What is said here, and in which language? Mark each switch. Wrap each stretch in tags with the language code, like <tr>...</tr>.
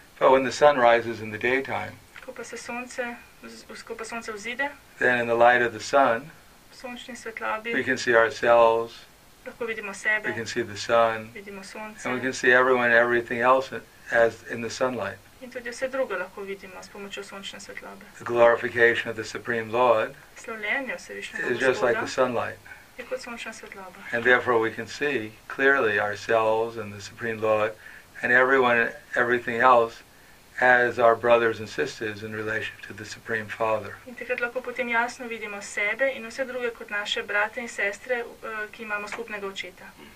<en>But when the sun rises in the daytime,</en> <sl>ko pa se sonce, ko pa sonce vzide,</sl> <en>then in the light of the sun,</en> <sl>sončni svetlobi,</sl> <en>we can see ourselves,</en> <sl>lahko vidimo sebe,</sl> <en>we can see the sun,</en> <sl>vidimo sonce,</sl> <en>and we can see everyone and everything else as in the sunlight.</en> <sl>In tudi vse drugo lahko vidimo s pomočjo sončne svetlobe.</sl> <en>The glorification of the Supreme Lord is just like the sunlight.</en> <sl>Je kot sončna svetloba.</sl> <en>And therefore we can see clearly ourselves and the Supreme Lord and everyone and everything else as our brothers and sisters in relation to the Supreme Father.</en> <sl>In takrat lahko potem jasno vidimo sebe in vse druge kot naše brate in sestre, ki imamo skupnega očeta.</sl>